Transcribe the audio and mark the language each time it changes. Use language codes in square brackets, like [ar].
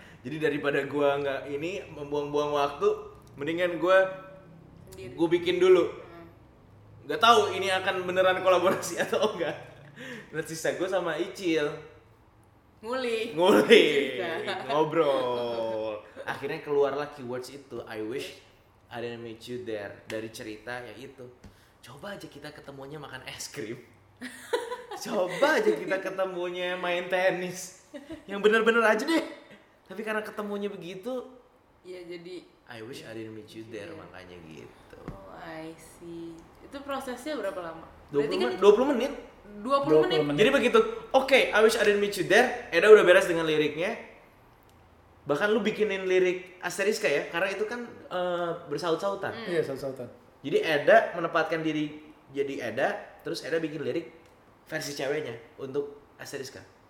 [id] Jadi daripada gua nggak ini membuang-buang waktu, mendingan gua bikin dulu. Gak tahu ini akan beneran kolaborasi atau enggak. Nah sisa gua sama Icil. Nguli. Ngobrol. Akhirnya keluarlah keywords itu. [en] I wish I didn't meet you there. [id] Dari cerita ya itu. Coba aja kita ketemunya makan es krim. Coba aja kita ketemunya main tenis. Yang bener-bener aja deh. Tapi karena ketemunya begitu, ya jadi [en] I wish I didn't meet you there, [id] makanya gitu. [en] Oh, I see. [id] Itu prosesnya berapa lama? 20 menit. Jadi begitu. [en] Okay, I wish I didn't meet you there. [id] Eda udah beres dengan liriknya. Bahkan lu bikinin lirik asteriska ya, karena itu kan bersaut-sautan. Iya, saut-sautan. Jadi Eda menempatkan diri jadi Eda, terus Eda bikin lirik versi ceweknya untuk asteriska.